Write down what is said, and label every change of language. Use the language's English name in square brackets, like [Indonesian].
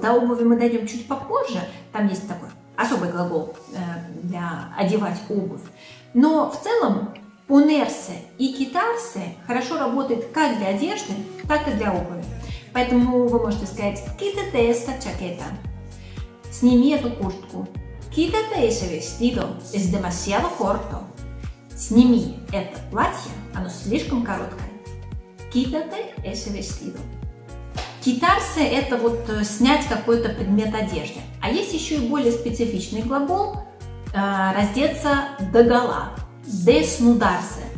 [Russian] До обуви мы дойдем чуть попозже, там есть такой особый глагол для одевать обувь. Но в целом ponerse и quitarse хорошо работают как для одежды, так и для обуви. Поэтому вы можете сказать [Spanish] quítate esta chaqueta, [Russian] сними эту куртку. [Spanish] Quítate ese vestido, es demasiado corto. [Russian] Сними это платье, оно слишком короткое. [Spanish] Quítate ese vestido. [Russian] Quitarse – это вот снять какой-то предмет одежды. А есть еще и более специфичный глагол раздеться догола. [Spanish] Desnudarse.